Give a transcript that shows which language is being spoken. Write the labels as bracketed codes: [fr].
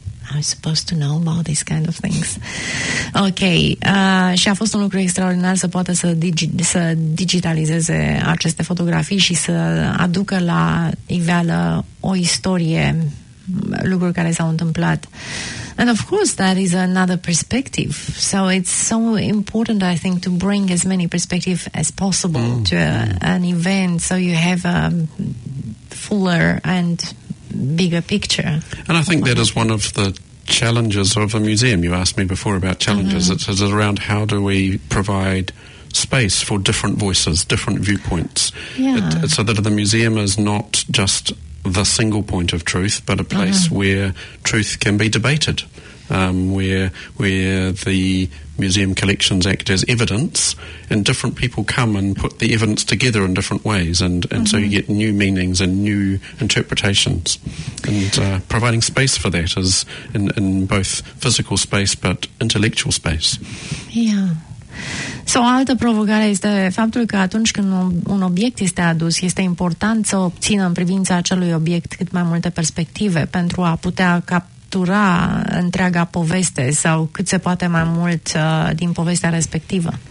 [en] I'm supposed to know about these kind of things. Ok. [ro] Și a fost un lucru extraordinar să poată să digitalizeze aceste fotografii și să aducă la iveală o istorie, lucruri care s-au întâmplat. [en] And of course, that is another perspective. So it's so important, I think, to bring as many perspectives as possible to an event so you have a fuller and bigger picture. And I think that is one of the challenges of a museum. You asked me before about challenges. Mm-hmm. It's around how do we provide space for different voices, different viewpoints, so that the museum is not just the single point of truth, but a place where truth can be debated, where the museum collections act as evidence, and different people come and put the evidence together in different ways, and so you get new meanings and new interpretations, and providing space for that is in both physical space but intellectual space. Yeah. [ro] Sau o altă provocare este faptul că atunci când un obiect este adus, este important să obțină în privința acelui obiect cât mai multe perspective pentru a putea captura întreaga poveste sau cât se poate mai mult din povestea respectivă.